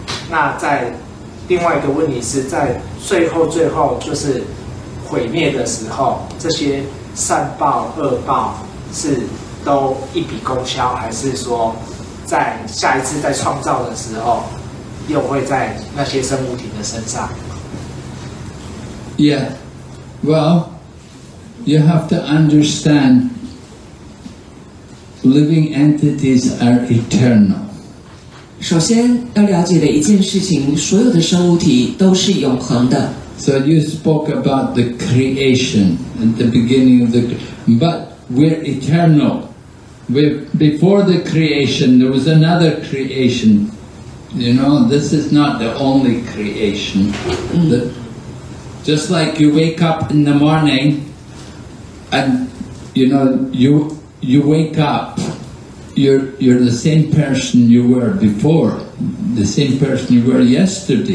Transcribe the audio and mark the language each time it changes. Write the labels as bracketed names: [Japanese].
[Chinese] 那在另外一个问题是在最后就是毁灭的时候，这些善报恶报是都一笔勾销，还是说？在下一次在创造的时候，又会在那些生物体的身上。 [English] Yeah, well, you have to understand, living entities are eternal. [Chinese] 首先要了解的一件事情，所有的生物体都是永恒的。 [English] So you spoke about the creation at the beginning of the, but we're eternal. Before the creation, there was another creation. You know, this is not the only creation. Just like you wake up in the morning, and you know, you wake up, you're the same person you were before, the same person you were yesterday.